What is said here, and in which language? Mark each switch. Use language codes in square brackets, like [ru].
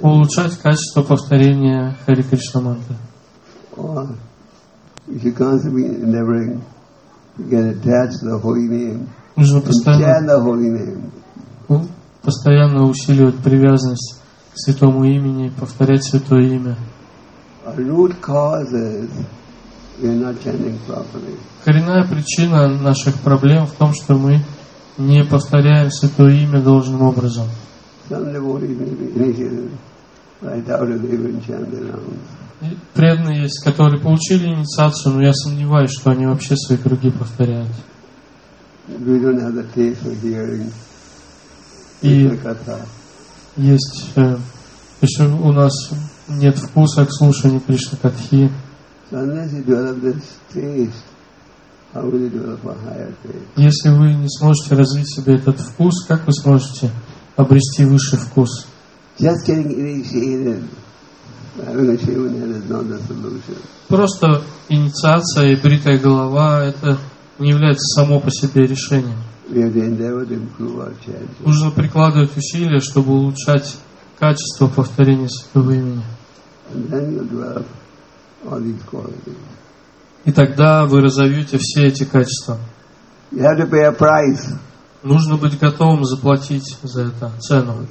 [ru] Улучшать качество повторения Хари Кришна мантры. [en] If you're constantly endeavoring to get attached to the holy name, [ru] нужно постоянно [en] chant the holy name. [ru] Постоянно усиливать привязанность к святому имени, повторять святое имя. [en] A root cause is we're not chanting properly. [ru] Коренная причина наших проблем в том, что мы не повторяем святое имя должным образом. Преданные есть, которые получили инициацию, но я сомневаюсь, что они вообще свои круги повторяют. [en] We don't have the taste for hearing. [ru] И есть, если у нас нет вкуса к слушанию Кришна Катхи. [en] So unless you develop this taste, how will you develop a higher taste? [ru] Если вы не сможете развить в себе этот вкус, как вы сможете обрести высший вкус? [en] Just getting initiated. Having a shaven head is not the solution. [ru] Просто инициация и бритая голова это не является само по себе решением. [en] We have to endeavor to improve our chanting. [ru] Нужно прикладывать усилия, чтобы улучшать качество повторения святого имени. [en] And then you develop all these qualities. [ru] И тогда вы разовьете все эти качества. [en] You have to pay a price. [ru] Нужно быть готовым заплатить за это цену.